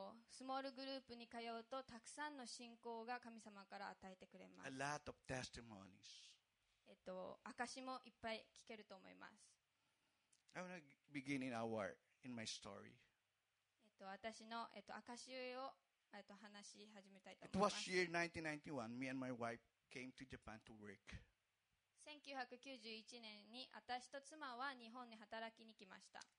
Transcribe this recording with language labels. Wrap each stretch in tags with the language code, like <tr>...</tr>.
<ja>スモールグループに通うとたくさんの信仰が神様から与えてくれます。</ja> <en>A lot of testimonies.</en> <ja>証もいっぱい聞けると思います。</ja> <en>I'm gonna begin in our in my story.</en> <ja>私の証を話し始めたいと思います</ja> <en>。 It was year 1991. Me and my wife came to Japan to work.</en> <ja>1991年に私と妻は日本に働きに来ました。</ja>